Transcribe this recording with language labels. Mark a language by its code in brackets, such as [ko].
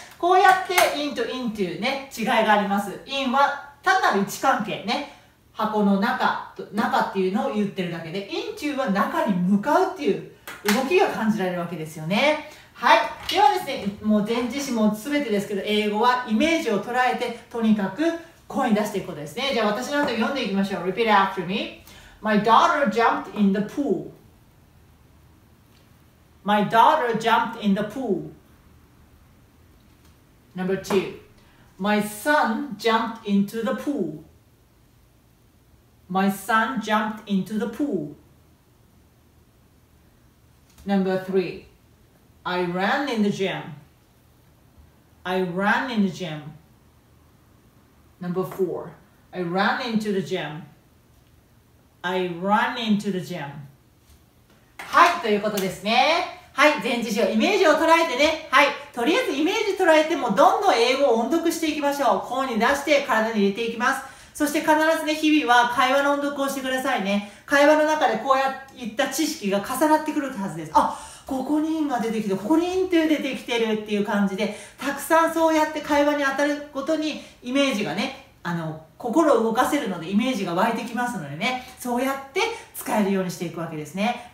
[ja] こうやって in と into ね、違いがあります。in は単なる位置関係ね、箱の中、中っていうのを言ってるだけで、 into は中に向かうっていう動きが感じられるわけですよね。はい、ではですね、もう前置詞も全てですけど、英語はイメージを捉えてとにかく声に出していくことですね。じゃあ私の後読んでいきましょう。 [en] Repeat after me. My daughter jumped in the pool. My daughter jumped in the pool. Number two. My son jumped into the pool. My son jumped into the pool. Number three. I ran in the gym. I ran in the gym. Number four, I ran into the gym. I ran into the gym. [ja] はい、ということですね。はい、前置詞をイメージを捉えてね。はい、とりあえずイメージ捉えてもどんどん英語を音読していきましょう。声に出して体に入れていきます。そして必ずね、日々は会話の音読をしてくださいね。会話の中でこうやっていった知識が重なってくるはずです。あ、ここにんが出てきて、ここにんという出てきてるっていう感じで、たくさんそうやって会話に当たるごとにイメージがね、心を動かせるのでイメージが湧いてきますのでね、そうやって使えるようにしていくわけですね。